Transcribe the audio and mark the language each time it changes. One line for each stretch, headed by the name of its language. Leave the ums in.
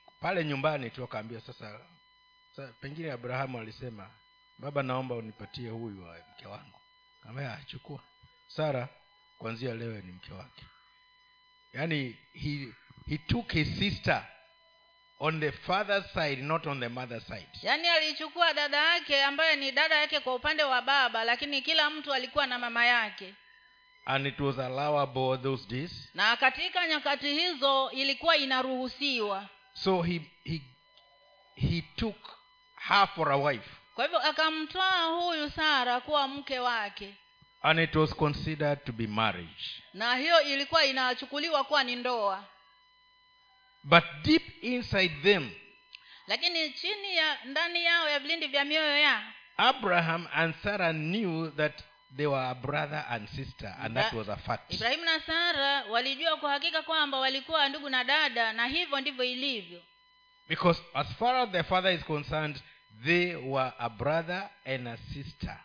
Swahili: pale nyumbani tu akaambia so, sasa, sasa so, pengine abrahamu alisema baba naomba unipatie huyu wa mke wangu achukua sara kwanzia leo ni mke wake yaani
English: he, he took his sister on the father's side not on the mother's side
Swahili: yaani alichukua dada yake ambaye ni dada yake kwa upande wa baba lakini kila mtu alikuwa na mama yake
English: and it was allowable those days
Swahili: na katika nyakati hizo ilikuwa inaruhusiwa
English: so he, he, he took her for a wife
Swahili: kwa hivyo akamtoa huyu sara kuwa mke wake
English: and it was considered to be marriage
Swahili: na hiyo ilikuwa inachukuliwa kuwa ni ndoa
English: but deep inside them
Swahili: lakini chini ya ndani yao ya vilindi vya mioyo ya
English: abraham and sara knew that they were a brother and sister and Iba. that was a fact
Swahili: ibrahim na sara walijua kwa hakika kwamba walikuwa ndugu na dada na and hivyo ndivyo ilivyo
English: because as far as their father is concerned they were a brother and a sister